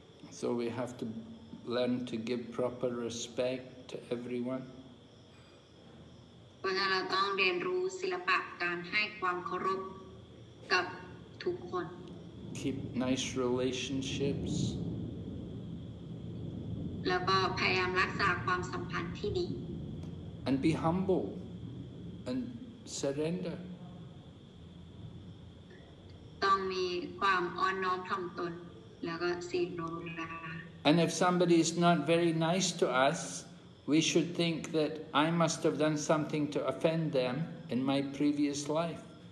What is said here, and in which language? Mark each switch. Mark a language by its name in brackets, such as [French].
[English] So we have to learn to give proper respect to everyone. [Thai] เพราะฉะนั้นเราต้องเรียนรู้ศิลปะการให้ความเคารพ กับทุกคน [English] keep nice relationships [Thai] แล้วก็พยายามรักษาความสัมพันธ์ที่ดี [English] and be humble and surrender [Thai] ต้องมีความอ่อนน้อมถ่อมตนแล้วก็ศีลรองรับ [English] and if somebody is not very nice to usWe should think that I must have done something to offend them in my previous life.